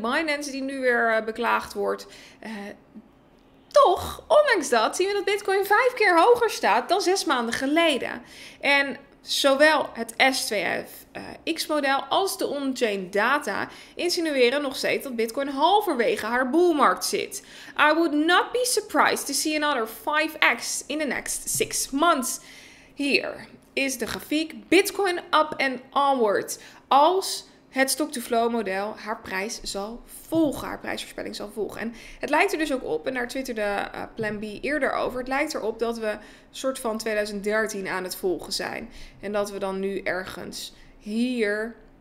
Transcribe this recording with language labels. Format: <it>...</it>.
<nl>Binance die nu weer beklaagd wordt. Toch, ondanks dat, zien we dat Bitcoin 5 keer hoger staat dan 6 maanden geleden. En zowel het S2FX-model als de on-chain data insinueren nog steeds dat Bitcoin halverwege haar bullmarkt zit.</nl> <en>I would not be surprised to see another 5x in the next 6 months.</en> <nl>Hier is de grafiek Bitcoin</nl> <en>up and onward.</en> <nl>Als het stock-to-flow-model haar prijs zal volgen, haar prijsvoorspelling zal volgen. En het lijkt er dus ook op, en daar twitterde Plan B eerder over, het lijkt erop dat we een soort van 2013 aan het volgen zijn. En dat we dan nu ergens hier</nl>